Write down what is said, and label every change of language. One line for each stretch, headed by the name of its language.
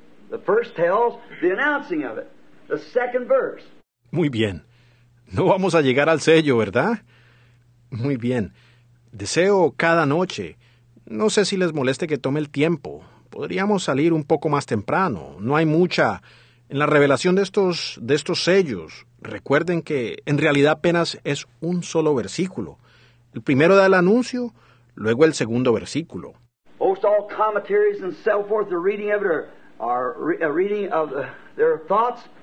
English: The first tells the announcing of it. The second verse.
Spanish: Muy bien. No vamos a llegar al sello, ¿verdad? Muy bien. Deseo cada noche. No sé si les moleste que tome el tiempo. Podríamos salir un poco más temprano. No hay mucha. En la revelación de estos sellos, recuerden que en realidad apenas es un solo versículo. El primero da el anuncio, luego el segundo versículo.
English: Most all commentaries and so forth, the reading of it are a reading of their thoughts.